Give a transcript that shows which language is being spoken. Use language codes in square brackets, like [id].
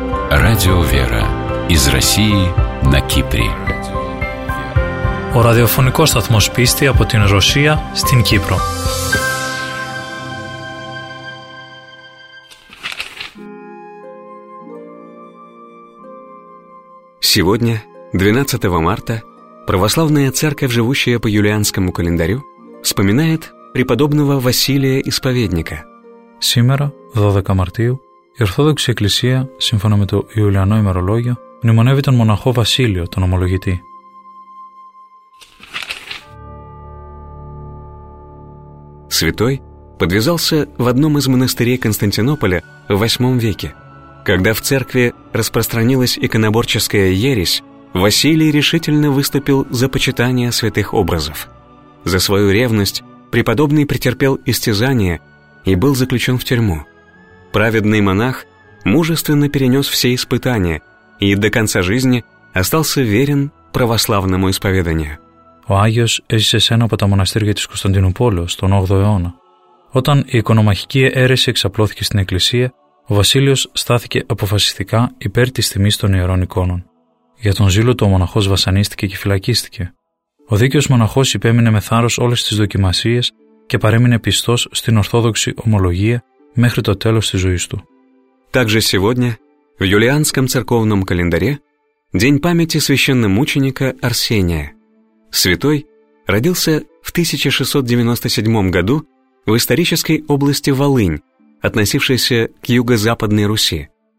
[ru] Радио «Вера» из России на Кипре. [el] Ο ραδιοφωνικός σταθμός πίστη από την Ρωσία στην Κύπρο. [ru] Сегодня, 12 марта, Православная Церковь, живущая по юлианскому календарю, вспоминает преподобного Василия Исповедника. Сегодня, 12 марта, [el] Ορθόδοξη Εκκλησία, σύμφωνα με το Ιουλιανό ημερολόγιο, μνημονεύει τον μοναχό Βασίλειο, τον ομολογητή. [ru] Святой подвязался в одном из монастырей Константинополя в 8 веке. Когда в церкви распространилась иконоборческая ересь, Василий решительно выступил за почитание святых образов. За свою ревность преподобный претерпел истязание и был заключен в тюрьму. Праведный монах мужественно перенес все испытания и до конца жизни остался верен православному исповеданию. [el] Ο Άγιος έζησε σε ένα από τα μοναστήρια της Κωνσταντινούπολης τον 8ο αιώνα. Όταν η οικονομαχική αίρεση εξαπλώθηκε στην εκκλησία, ο Βασίλειος στάθηκε αποφασιστικά υπέρ της τιμής των ιερών εικόνων. Για τον ζήλο του ο μοναχός βασανίστηκε και φυλακίστηκε. Ο δίκαιος μοναχός υπέμεινε με θάρρος όλες τις δοκιμασίες και παρέμεινε πιστός στην ορθόδοξη ομολογία μέχρι το τέλος της ζωής του. [ru] Также сегодня в юлианском церковном календаре день памяти священномученика Арсения. Святой родился в 1697 году в исторической области Волынь, относившейся к юго-западной Руси.